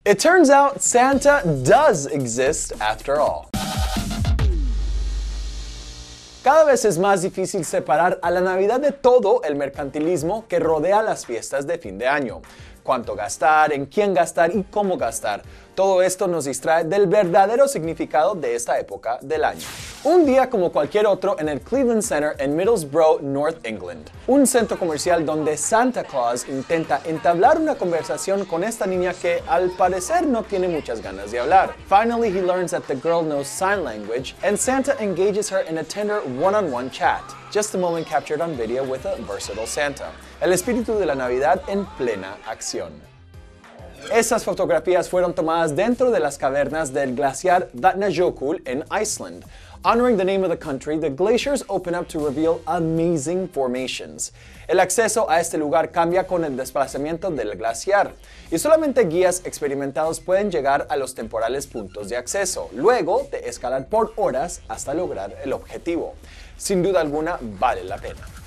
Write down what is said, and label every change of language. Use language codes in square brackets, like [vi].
[en] It turns out Santa does exist after all. [es] Cada vez es más difícil separar a la Navidad de todo el mercantilismo que rodea las fiestas de fin de año. Cuánto gastar, en quién gastar y cómo gastar. Todo esto nos distrae del verdadero significado de esta época del año. Un día como cualquier otro en el Cleveland Center en Middlesbrough, North England. Un centro comercial donde Santa Claus intenta entablar una conversación con esta niña que, al parecer, no tiene muchas ganas de hablar. [en] Finally, he learns that the girl knows sign language and Santa engages her in a tender one-on-one chat. Just a moment captured on video with a versatile Santa. [es] El espíritu de la Navidad en plena acción. Esas fotografías fueron tomadas dentro de las cavernas del glaciar Vatnajökull en Iceland. [en] Honoring the name of the country, the glaciers open up to reveal amazing formations. [es] El acceso a este lugar cambia con el desplazamiento del glaciar, y solamente guías experimentados pueden llegar a los temporales puntos de acceso, luego de escalar por horas hasta lograr el objetivo. Sin duda alguna, vale la pena.